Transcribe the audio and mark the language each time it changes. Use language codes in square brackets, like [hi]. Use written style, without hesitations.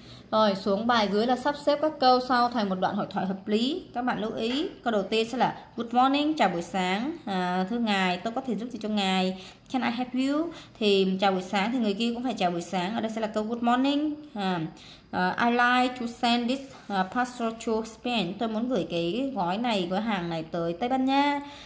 [vi] Rồi, xuống bài dưới là sắp xếp các câu sau thành một đoạn hội thoại hợp lý. Các bạn lưu ý, câu đầu tiên sẽ là [en] good morning, [vi] chào buổi sáng, thưa ngài, tôi có thể giúp gì cho ngài, [en] can I help you? [vi] Thì chào buổi sáng thì người kia cũng phải chào buổi sáng, ở đây sẽ là câu [en] good morning. I like to send this parcel to Spain. [vi] Tôi muốn gửi cái gói này, gói hàng này tới Tây Ban Nha.